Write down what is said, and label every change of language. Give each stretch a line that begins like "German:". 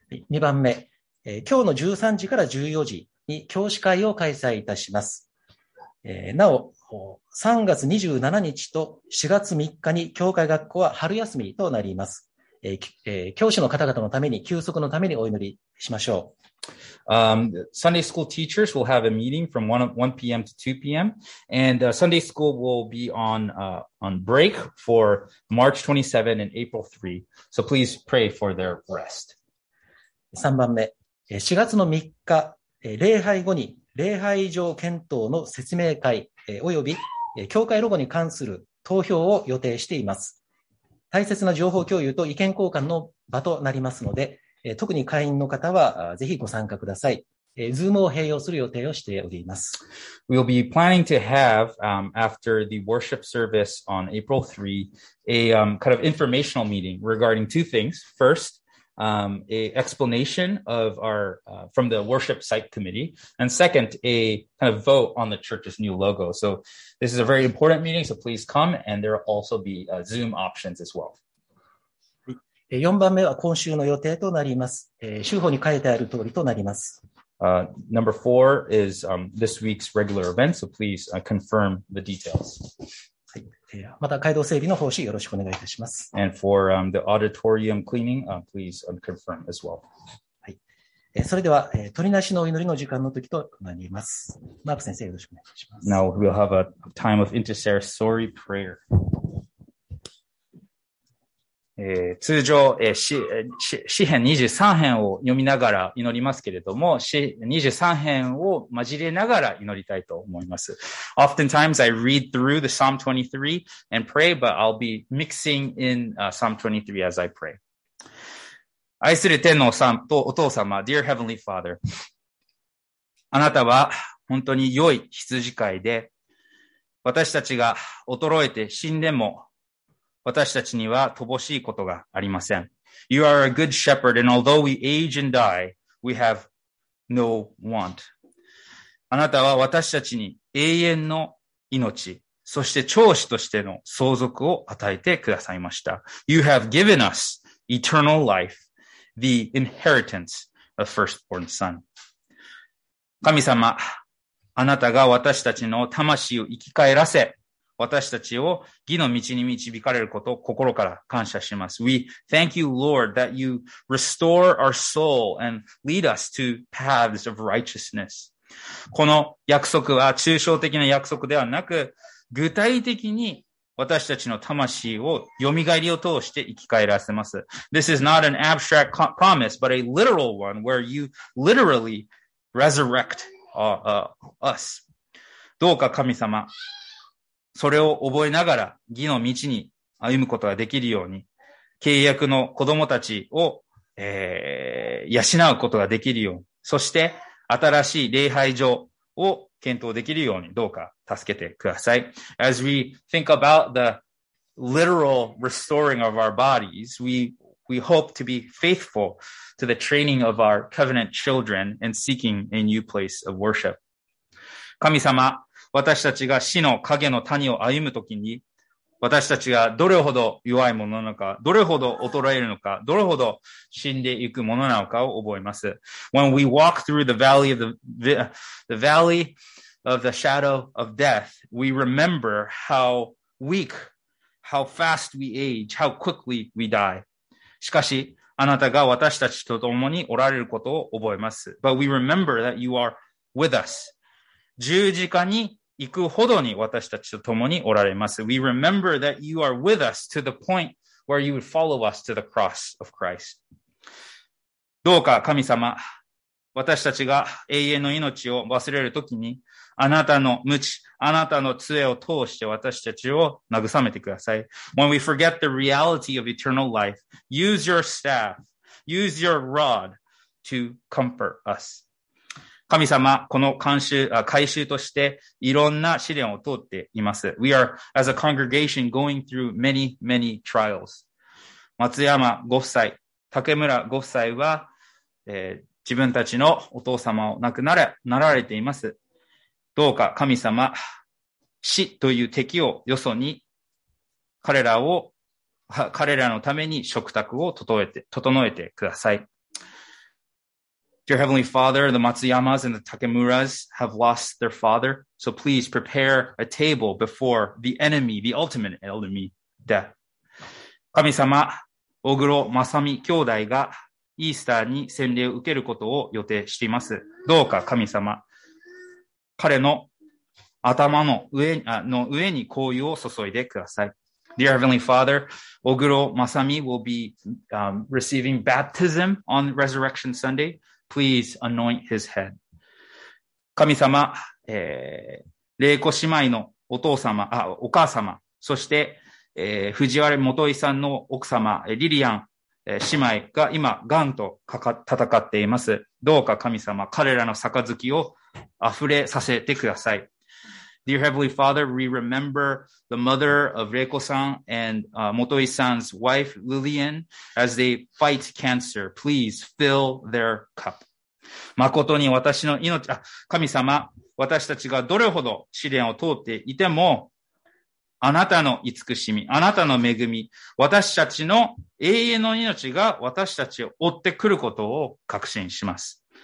Japanese: 2番目、今日の13時から14時に教師会を開催いたします。なお、3月27日と4月3日に教会学校は春休みとなります。教師の方々のために、休息のためにお祈りしましょう。
English: Sunday school teachers will have a meeting from 1 p.m. to 2 p.m. And Sunday school will be on break for March 27 and April 3. So please pray for their rest.
Japanese: 3番目、4月の3日、礼拝後に礼拝上検討の説明会、および教会ロゴに関する投票を予定しています。大切な情報共有と意見交換の場となりますので、特に会員の方はぜひご参加ください。 Zoom を併用する予定をしております。
English: We'll be planning to have, after the worship service on April 3, a, kind of informational meeting regarding two things. First,a explanation of our, from the worship site committee. And second, a kind of vote on the church's new logo. So this is a very important meeting. So please come and there will also be Zoom options as well.
Japanese: 4番目は今週の予定となります。週報に書いてある通りとなります。
English: Number four is, this week's regular event. So please, confirm the details.
Japanese: また街道整備の方針よろしくお願いいたします。
English: And for, the auditorium cleaning, please confirm as well.
Japanese: はい。それでは、鳥なしのお祈りの時間の時となります。マーク先生よろしくお願いします。
English: Now we'll have a time of intercessory prayer.
Japanese: 通常、詩編23編を読みながら祈りますけれども、詩23編を交えながら祈りたいと思います。
English: Oftentimes I read through the Psalm 23 and pray, but I'll be mixing in Psalm 23 as I pray.
Japanese: 愛する天のお父様、
English: Dear Heavenly Father,
Japanese: あなたは本当に良い羊飼いで、私たちが衰えて死んでも、私たちには乏しいことがありません。
English: You are a good shepherd, and although we age and die, we have no want.
Japanese: あなたは私たちに永遠の命、そして長子としての相続を与えてくださいました。
English: You have given us eternal life, the inheritance of firstborn son.
Japanese: 神様、あなたが私たちの魂を生き返らせ、私たちを義の道に導かれることを心から感謝します。
English: We thank you, Lord, that you restore our soul and lead us to paths of righteousness.
Japanese: この約束は抽象的な約束ではなく、具体的に私たちの魂を蘇りを通して生き返らせます。
English: This is not an abstract promise, but a literal one where you literally resurrect us.
Japanese: どうか神様、それを覚えながら義の道に歩むことができるように、契約の子供たちを、養うことができるように、そして新しい礼拝所を検討できるようにどうか助けてください。
English: As we think about the literal restoring of our bodies, we hope to be faithful to the training of our covenant children and seeking a new place of worship.
Japanese: 神様、私たちが死の影の谷を歩むときに、私たちがどれほど弱いものなのか、どれほど衰えるのか、どれほど死んでいくものなのかを覚えます。
English: When we walk through the valley of the shadow of death, we remember how weak, how fast we age, how quickly we die.
Japanese: しかし、あなたが私たちと共におられることを覚えます。
English: But we remember that you are with us.
Japanese: 十字架に行くほどに私たちと共におられます。
English: We remember that you are with us to the point where you would follow us to the cross of Christ.
Japanese: どうか神様、私たちが永遠の命を忘れるときに、あなたの鞭、あなたの杖を通して私たちを慰めてください。
English: When we forget the reality of eternal life, use your staff, use your rod to comfort us.
Japanese: 神様、この回収としていろんな試練を通っています。
English: We are, as a congregation, going through many, many trials.
Japanese: 松山ご夫妻、竹村ご夫妻は、自分たちのお父様を亡くなられています。どうか神様、死という敵をよそに、彼らのために食卓を整えてください。
English: Dear Heavenly Father, the Matsuyamas and the Takemuras have lost their father, so please prepare a table before the enemy, the ultimate enemy, death.
Japanese: 神様、小黒まさみ兄弟がイースターに洗礼を受けることを予定しています。どうか神様、彼の頭の上に香油を注いでください。
English: Dear Heavenly Father, Oguro Masami will be, receiving baptism on Resurrection Sunday. Please anoint his head.
Japanese: 神様、霊子姉妹のお母様、そして、藤原元井さんの奥様、リリアン、姉妹が今、癌と戦っています。どうか神様、彼らの杯を溢れさせてください。
English: Dear Heavenly Father, we remember the mother of Reiko-san and Motoi-san's wife, Lillian, as they fight cancer. Please fill their cup.
Japanese: 誠に私の命、神様、私たちがどれほど試練を通っていても、あなたの慈しみ、あなたの恵み、私たちの永遠の命が私たちを追ってくることを確信します。